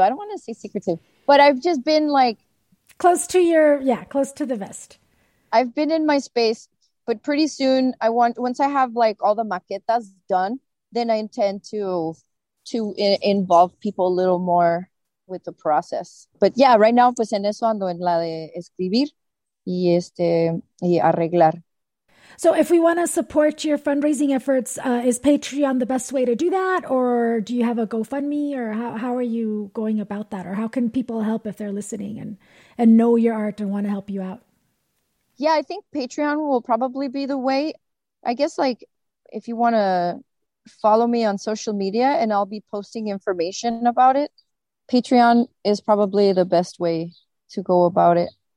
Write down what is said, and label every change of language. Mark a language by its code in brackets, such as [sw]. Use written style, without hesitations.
[en] I don't want to say secretive, but I've just been like. Close to the vest. I've been in my space, but pretty soon once I have like all the maquetas done, then I intend to involve people a little more with the process. But yeah, right now, [es] pues en eso ando, en la de escribir y arreglar. [en] So if we want to support your fundraising efforts, is Patreon the best way to do that? Or do you have a GoFundMe? Or how are you going about that? Or how can people help if they're listening and know your art and want to help you out? Yeah, I think Patreon will probably be the way. I guess like if you want to follow me on social media and I'll be posting information about it, Patreon is probably the best way to go about it.